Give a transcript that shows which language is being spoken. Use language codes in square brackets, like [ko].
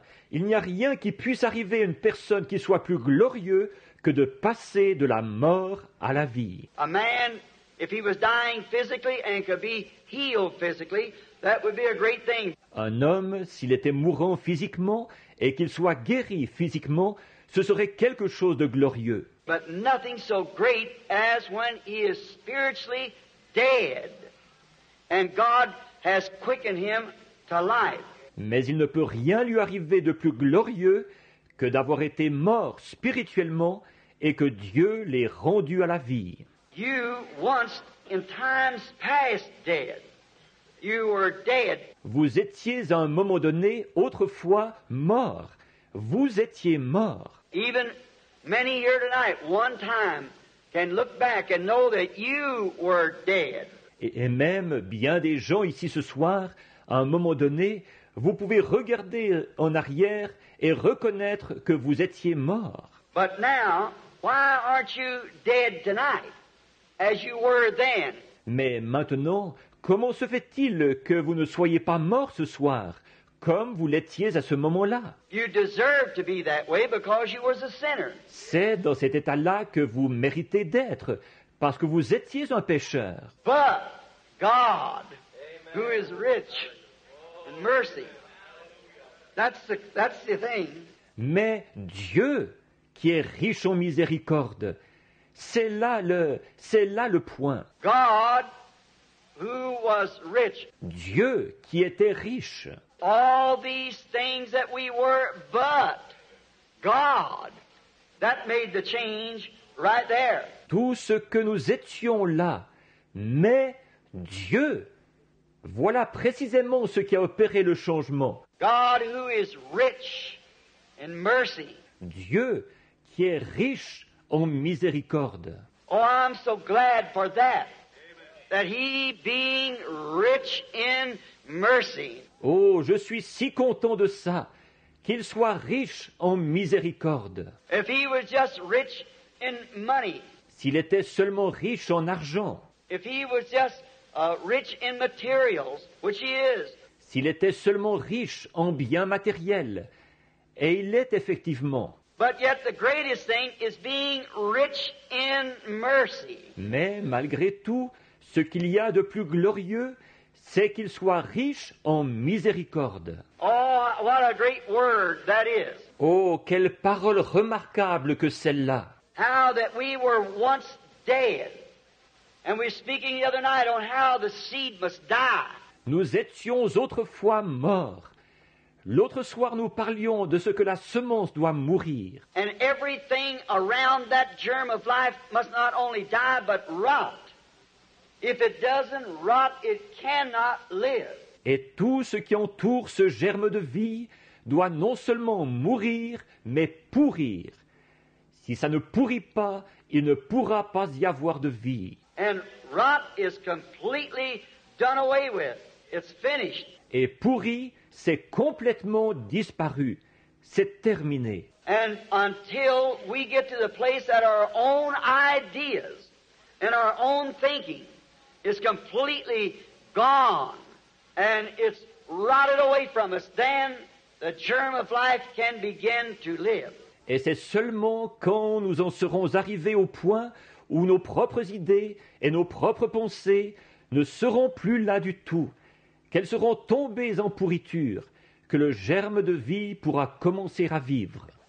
[fr] Il n'y a rien qui puisse arriver à une personne qui soit plus glorieux que de passer de la mort à la vie. [en] A man, if he was dying physically and could be healed physically, that would be a great thing. [fr] Un homme, s'il était mourant physiquement et qu'il soit guéri physiquement, ce serait quelque chose de glorieux. [en] But nothing so great as when he is spiritually dead and God has quickened him to life. [fr] Mais il ne peut rien lui arriver de plus glorieux que d'avoir été mort spirituellement et que Dieu l'ait rendu à la vie. [en] You once in times past dead. You were dead. [fr] Vous étiez à un moment donné autrefois mort. Vous étiez mort. [en] Even many here tonight, one time, can look back and know that you were dead. [fr] Et même bien des gens ici ce soir, à un moment donné, vous pouvez regarder en arrière et reconnaître que vous étiez mort. [en] But now, why aren't you dead tonight? As you were then. [fr] Mais maintenant, comment se fait-il que vous ne soyez pas mort ce soir, comme vous l'étiez à ce moment-là? [en] You deserve to be that way because you was a sinner. [fr] C'est dans cet état-là que vous méritez d'être, parce que vous étiez un pécheur. [en] But God, who is rich in mercy, that's the thing. [fr] Mais Dieu, qui est riche en miséricorde, C'est là le point. [en] God, who was rich. [fr] Dieu qui était riche. [en] All these things that we were, but God, that made the change right there. [fr] Tout ce que nous étions là, mais Dieu, voilà précisément ce qui a opéré le changement. [en] God, who is rich in mercy. [fr] Dieu qui est riche en miséricorde. [en] Oh, I'm so glad for that. Amen. That he being rich in mercy. [fr] Oh, je suis si content de ça, qu'il soit riche en miséricorde. [en] If he was just rich in money. [fr] S'il était seulement riche en argent. [en] If he was just rich in materials, which he is. [fr] S'il était seulement riche en biens matériels, et il est effectivement. [en] But yet the greatest thing is being rich in mercy. [fr] Mais malgré tout, ce qu'il y a de plus glorieux, c'est qu'il soit riche en miséricorde. [en] Oh, what a great word that is. [fr] Oh, quelle parole remarquable que celle-là. [en] How that we were once dead. And we were speaking the other night on how the seed must die. [fr] Nous étions autrefois morts. L'autre soir, nous parlions de ce que la semence doit mourir. [en] And everything around that germ of life must not only die, but rot. If it doesn't rot, it cannot live. [fr] Et tout ce qui entoure ce germe de vie doit non seulement mourir, mais pourrir. Si ça ne pourrit pas, il ne pourra pas y avoir de vie. [en] And rot is completely done away with. It's finished. [fr] Et pourri, c'est complètement disparu. C'est terminé. [en] And until we get to the place that our own ideas and our own thinking is completely gone and it's rotted away from us, then the germ of life can begin to live. [fr] Et c'est seulement quand nous en serons arrivés au point où nos propres idées et nos propres pensées ne seront plus là du tout, qu'elles seront tombées en pourriture, que le germe de vie pourra commencer à vivre.